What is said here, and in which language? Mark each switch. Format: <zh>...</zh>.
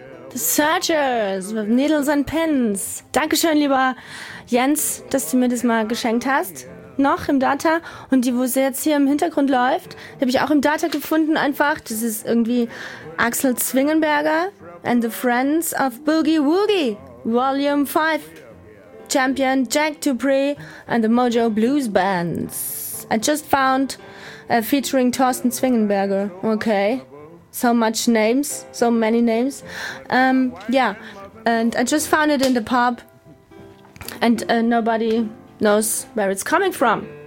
<en>The Searchers with Needles and Pins.</en> <de>Dankeschön, lieber Jens, dass du mir das mal geschenkt hast. Noch im Data. Und die, wo sie jetzt hier im Hintergrund läuft, die habe ich auch im Data gefunden einfach. Das ist irgendwie Axel Zwingenberger and the Friends of Boogie Woogie, Volume 5.</de> <en>Champion Jack Dupree and the Mojo Blues Bands. I just found featuring Thorsten Zwingenberger. Okay. So much names, so many names. Yeah, and I just found it in the pub, and nobody knows where it's coming from.</en>